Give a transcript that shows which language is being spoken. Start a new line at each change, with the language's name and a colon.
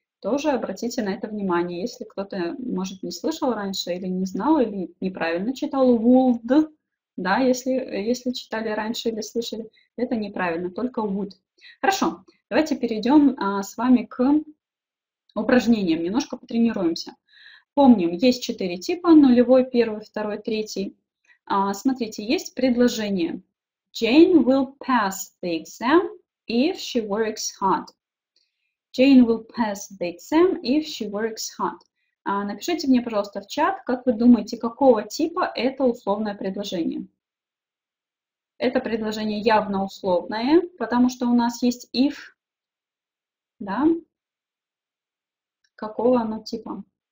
Russian: Тоже обратите на это внимание. Если кто-то, может, не слышал раньше или не знал, или неправильно читал would, да, если читали раньше или слышали, это неправильно, только would. Хорошо, давайте перейдем с вами к упражнениям. Немножко потренируемся. Помним, есть четыре типа. Нулевой, первый, второй, третий. Смотрите, есть предложение.
English: Jane will pass the exam if she works hard. Jane will pass the exam if she works hard.
Russian: Напишите мне, пожалуйста, в чат, как вы думаете, какого типа это условное предложение? Это предложение явно условное, потому что у нас есть if. Да? Какого оно типа?